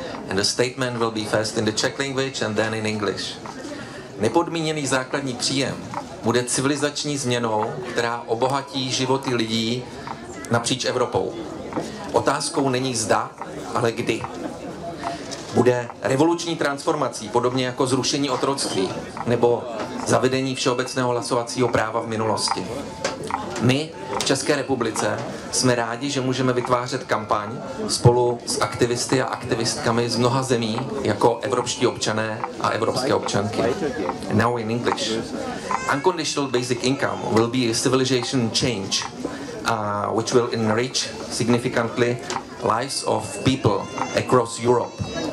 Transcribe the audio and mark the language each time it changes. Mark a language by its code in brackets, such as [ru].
[en] And the statement will be first in the Czech language and then in English. [cs] Nepodmíněný základní příjem bude civilizační změnou, která obohatí životy lidí napříč Evropou. Otázkou není zda, ale kdy. Bude revoluční transformací, podobně jako zrušení otroctví nebo zavedení všeobecného hlasovacího práva v minulosti. My v České republice jsme rádi, že můžeme vytvářet kampaň spolu s aktivisty a aktivistkami z mnoha zemí jako evropští občané a evropské občanky. [en] Now in English. Unconditional basic income will be a civilization change, which will enrich significantly lives of people across Europe.